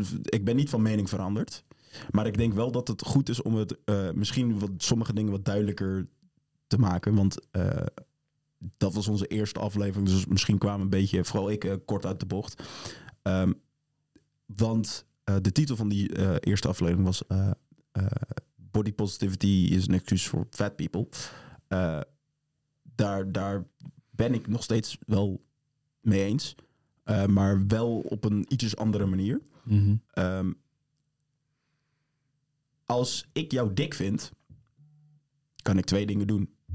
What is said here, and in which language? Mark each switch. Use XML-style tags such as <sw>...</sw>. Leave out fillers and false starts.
<nl>Ik ben niet van mening veranderd. Maar ik denk wel dat het goed is om het misschien wat sommige dingen wat duidelijker te maken. Want dat was onze eerste aflevering. Dus misschien kwamen een beetje, vooral ik, kort uit de bocht. Want de titel van die eerste aflevering was...</nl> <en>Body positivity is an excuse for fat people.</en> <nl>Daar ben ik nog steeds wel mee eens. Maar wel op een iets andere manier. Mm-hmm. Als ik jou dik vind, kan ik twee dingen doen.</nl>